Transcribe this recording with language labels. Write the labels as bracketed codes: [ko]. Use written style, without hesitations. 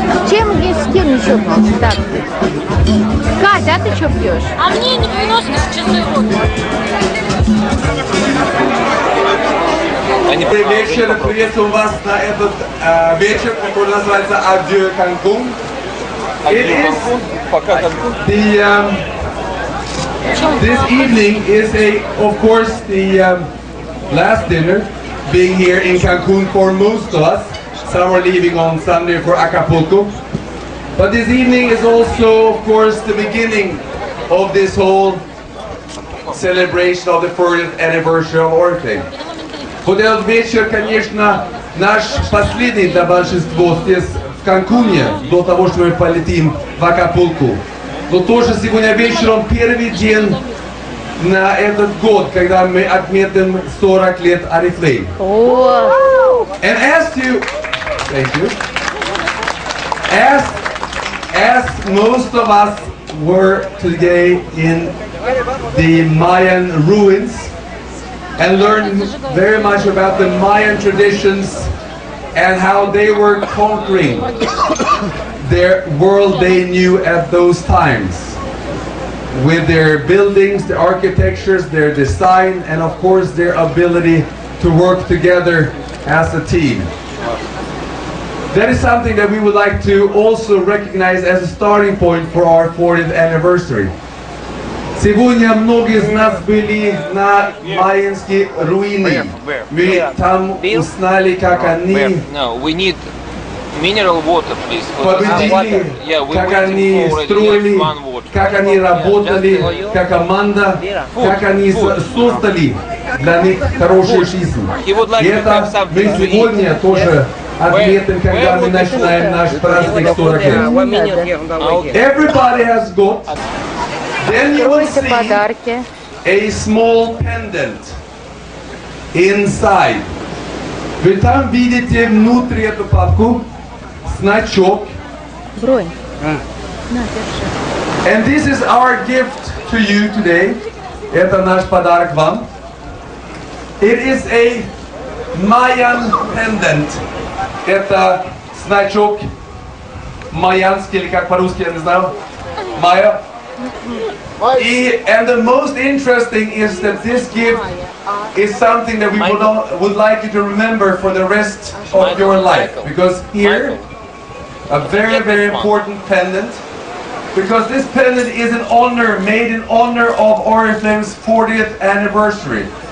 [ru] Чем не с кем еще так? Катя, а ты что пьешь? А мне не 90 часов вот. Они вечер, приветствую вас на этот вечер, который называется Адио Канкун. Адио Канкун? Пока Канкун. [en] This evening is a, of course, the last dinner being here in Cancun for most of us. Some are leaving on Sunday for Acapulco. But this evening is also, of course, the beginning of this whole celebration of the 40th anniversary of Orfe. For the [ru] вечер, конечно, наш последний для большинства здесь в Канкуне, до того, что мы полетим в Акапулку. Но тоже сегодня вечером первый день на этот год, когда мы отметим 40 лет Орифлейм. [en] And as most of us were today in the Mayan ruins and learned very much about the Mayan traditions and how they were conquering their world they knew at those times with their buildings, their architectures, their design, and of course their ability to work together as a team. That is something that we would like to also recognize as a starting point for our 40th anniversary. [ru] Сегодня многие из нас были на майянские руины. Мы там узнали, как они... [en] Mineral water, please. [ru] Победили, как они строили, как они работали, как команда, как они создали для них хорошую жизнь. И это мы сегодня тоже отметим, когда мы начинаем наш праздник 40 лет. [en] Everybody has got. Then you will see a small pendant inside. [ru] Вы там видите внутри эту папку. Значок. [en] And this is our gift to you today. [ru] Это наш подарок вам. [en] It is a Mayan pendant. [ru] Это значок майянский, или как по-русски, я не знаю. Майя. [en] И, and the most interesting is that this gift is something that we would like you to remember for the rest of your life. Because here... A very, very important pendant, because this pendant is an honor, made in honor of Oriflame's 40th anniversary.